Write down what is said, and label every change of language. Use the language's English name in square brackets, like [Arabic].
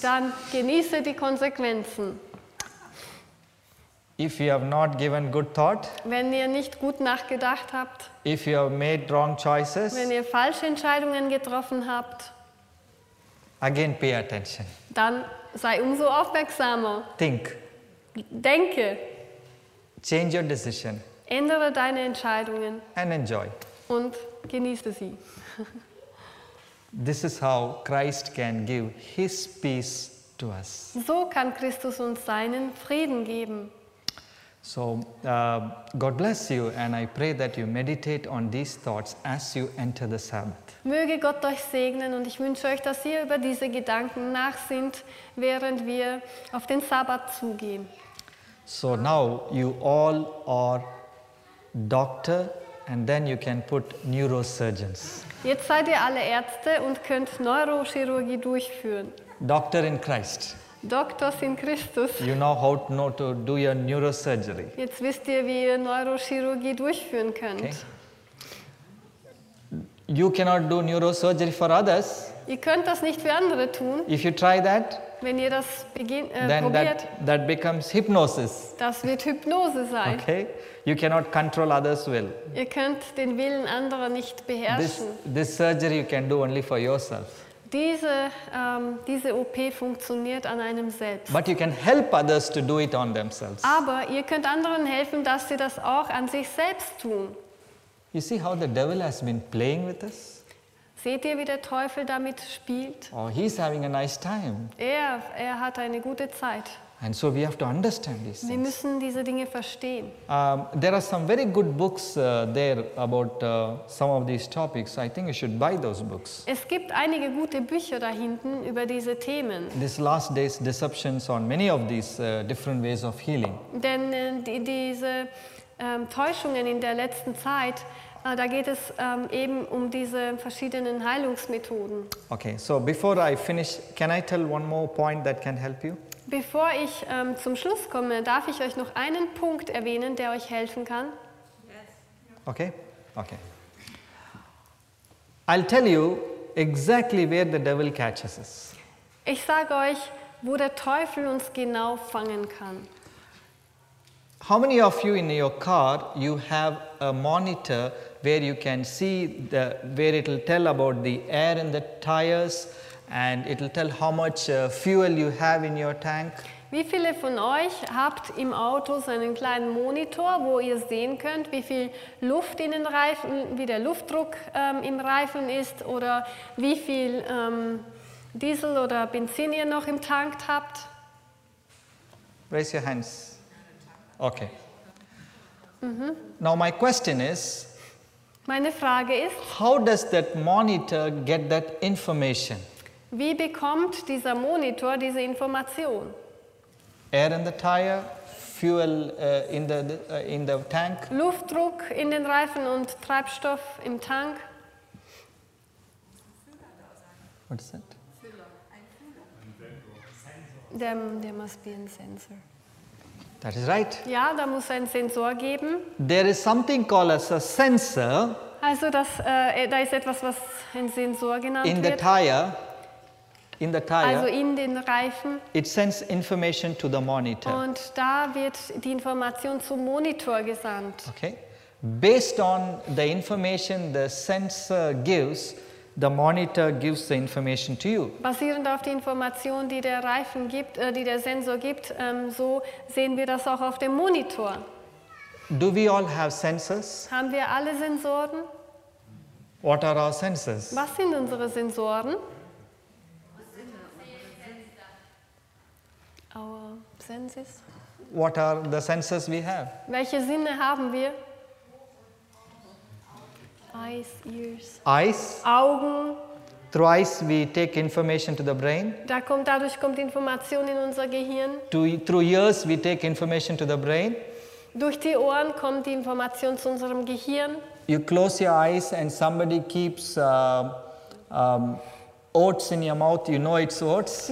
[German] Dann genieße die Konsequenzen. [English] If you have not given good thought, [German] wenn ihr nicht gut nachgedacht habt, [English] if you have made wrong choices, [German] wenn ihr falsche Entscheidungen getroffen habt, [English] again pay attention. [German] Dann sei umso aufmerksamer. [English] Think. [German] Denke. [English] Change your decision. [German] Ändere deine Entscheidungen. [English] And enjoy. [German] Und genieße sie. [English] This is how Christ can give his peace to us. [German] So kann Christus uns seinen Frieden geben. [English] So, God bless you, and I pray that you meditate on these thoughts as you enter the Sabbath. [German] Möge Gott euch segnen und ich wünsche euch, dass ihr über diese Gedanken nachsinnt, während wir auf den Sabbat zugehen. [English] So now you all are doctor and then you can put neurosurgeons. [German] Jetzt seid ihr alle Ärzte und könnt Neurochirurgie durchführen. [English] Doctor in Christ. [German] Doctors in Christus. [English] You know how to, do your neurosurgery. [German] Jetzt wisst ihr, wie ihr Neurochirurgie durchführen könnt. [English] Okay. You cannot do neurosurgery for others. [German] Ihr könnt das nicht für andere tun. [English] If you try that, [German] wenn ihr das [English] then [German] probiert, [English] that becomes hypnosis. [German] Das wird Hypnose sein. [English] Okay. You cannot control others' will. [German] Ihr könnt den Willen anderer nicht beherrschen. [English] This surgery you can do only for yourself. [German] Diese OP funktioniert an einem selbst. [English] But you can help others to do it on themselves. [German] Aber ihr könnt anderen helfen, dass sie das auch an sich selbst tun. [English] You see how the devil has been playing with us? [German] Seht ihr, wie der Teufel damit spielt? [English] Oh, he's having a nice time. [German] Er hat eine gute Zeit. [English] And so we have to understand these things. [German] Wir müssen diese Dinge verstehen. [English] There are some very good books there about some of these topics. I think you should buy those books. [German] Es gibt einige gute Bücher da hinten über diese Themen. [English] This last day's deceptions on many of these different ways of healing. [German] Denn diese Täuschungen in der letzten Zeit, da geht es eben um diese verschiedenen Heilungsmethoden. [English] Okay, so before I finish, can I tell one more point that can help you? [German] Bevor ich zum Schluss komme, darf ich euch noch einen Punkt erwähnen, der euch helfen kann? [English] Yes. Okay. Okay. I'll tell you exactly where the devil catches us. [German] Ich sage euch, wo der Teufel uns genau fangen kann. [English] How many of you in your car you have a monitor where you can see the where it'll tell about the air in the tires? And it'll tell how much fuel you have in your tank. [German] Wie viele von euch habt im Auto so einen kleinen Monitor, wo ihr sehen könnt, wie viel Luft in den Reifen, wie der Luftdruck im Reifen ist oder wie viel Diesel oder Benzin ihr noch im Tank habt? [English] Raise your hands. Okay. Mm-hmm. Now my question is, [German] meine Frage ist, [English] how does that monitor get that information? [German] Wie bekommt dieser Monitor diese Information? [English] Air in the tire, fuel in the tank. [German] Luftdruck in den Reifen und Treibstoff im Tank. [English] What is that? There must be a sensor. That is right. [German] Ja, da muss ein Sensor geben. [English] There is something called as a sensor. [German] Also das, da ist etwas, was ein Sensor genannt [English] in [German] wird. [English] In the tire. In the tire, [German] also in den Reifen. [English] It sends information to the monitor. [German] Und da wird die Information zum Monitor gesandt. [English] Okay. Based on the information the sensor gives, the monitor gives the information to you. [German] Basierend auf die Information, die der Reifen gibt, die der Sensor gibt, so sehen wir das auch auf dem Monitor. [English] Do we all have sensors? [German] Haben wir alle Sensoren? [English] What are our sensors? [German] Was sind unsere Sensoren? [English] Our senses. What are the senses we have? [German] Welche Sinne haben wir? [English] Eyes, ears. Eyes. [German] Augen. [English] Through eyes we take information to the brain. [German] Dadurch kommt Information in unser Gehirn. [English] Through ears we take information to the brain. [German] Durch die Ohren kommt die Information zu unserem Gehirn. [English] You close your eyes and somebody keeps oats in your mouth, you know it's oats.